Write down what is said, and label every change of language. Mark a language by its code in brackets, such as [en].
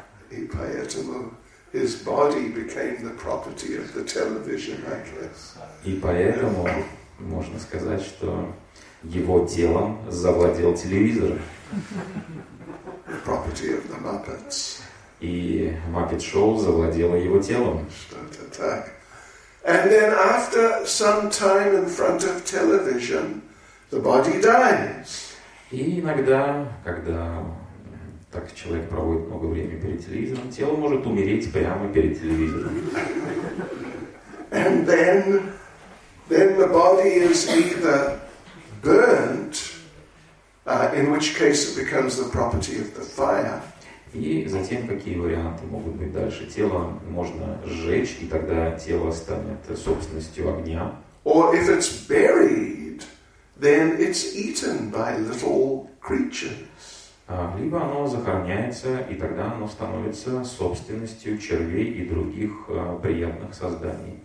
[en] И поэтому his body became the property of the television, I guess. [ru] И поэтому можно сказать, что его телом завладел телевизор. [en] The property of the Muppets. [ru] И Muppet Show завладело его телом. Что-то так. [en] And then after some time in front of television, the body dies. [ru] И иногда, когда так человек проводит много времени перед телевизором, тело может умереть прямо перед телевизором. [en] And then the body is either burnt, in which case it becomes the property of the fire. [ru] И затем, какие варианты могут быть дальше? Тело можно сжечь, и тогда тело станет собственностью огня. [en] Or if it's buried, then it's eaten by little creatures. [ru] Либо оно захороняется, и тогда оно становится собственностью червей и других приятных созданий.